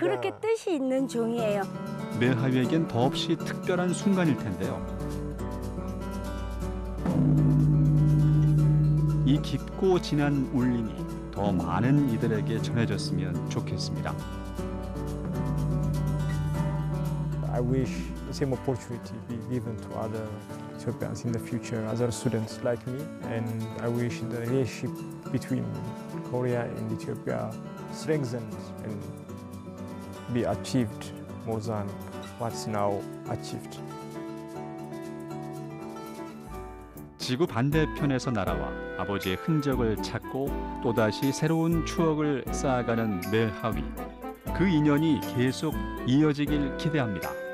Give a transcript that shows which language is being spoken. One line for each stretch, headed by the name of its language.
Korean: 그렇게 뜻이 있는 종이에요. 메하위에겐 더없이 특별한 순간일 텐데요. 이 깊고 진한 울림이 더 많은 이들에게 전해졌으면 좋겠습니다.
English: I wish the same opportunity be given to other Ethiopians in the future, other students like me. And I wish the relationship between Korea and Ethiopia strengthened and be achieved more than what's now achieved.
Korean: 지구 반대편에서 날아와 아버지의 흔적을 찾고 또다시 새로운 추억을 쌓아가는 멜하위. 그 인연이 계속 이어지길 기대합니다.